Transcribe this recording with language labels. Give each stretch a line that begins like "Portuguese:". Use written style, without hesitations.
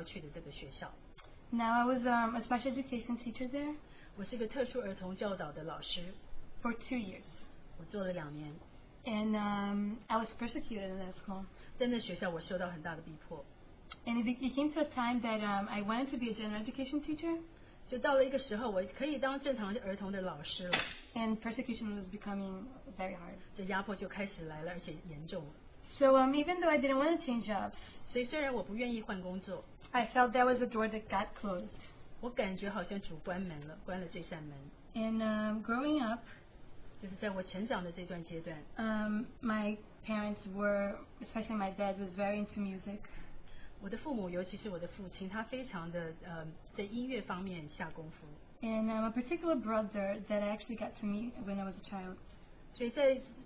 Chinese: 所以呢,主就给了我一个教师的这个职位,而且是正我正想要去的这个学校。
English: Now I was a special education teacher there.
Chinese: 我是一个特殊儿童教导的老师。
English: For 2 years.
Chinese: 我做了两年。
English: And I was persecuted in that school.
Chinese: 在那学校我受到很大的逼迫。
English: And it came to a time that I wanted to be a general education teacher.
Chinese: 就到了一个时候我可以当正常儿童的老师了。
English: And persecution was becoming very hard.
Chinese: 这压迫就开始来了,而且严重了。
English: So even though I didn't want to change jobs,
Chinese: 所以虽然我不愿意换工作,
English: I felt that was a door that got closed.
Chinese: 我感觉好像主关门了,关了这扇门。
English: And growing up,
Chinese: 就是在我成长的这段阶段,
English: my parents were, especially my dad, was very into music.
Chinese: 我的父母, 尤其是我的父亲, 他非常的,
English: and I'm a particular brother that I actually got to meet when I was a child.